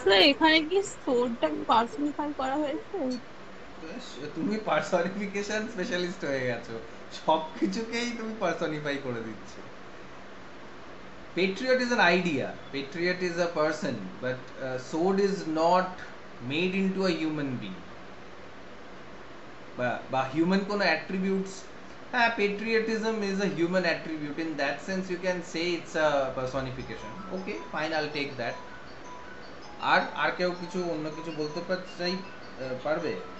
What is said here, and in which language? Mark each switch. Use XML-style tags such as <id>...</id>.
<bn>এখানে কি স্কোরটা পার্সোনিফাই করা হয়েছে? তুমি পার্সোনিফিকেশন স্পেশালিস্ট হয়ে গেছো, সবকিছুকেই তুমি পার্সোনিফাই করে দিচ্ছো।</bn> <en>Patriot is an idea, patriot is a person, but sword is not made into a human being বা human কোনো attributes. হ্যাঁ, patriotism is a human attribute, in that sense you can say it's a personification, okay fine I will take that.</en> <bn>আর আর কেউ কিছু অন্য কিছু বলতে চাই পারবে?</bn>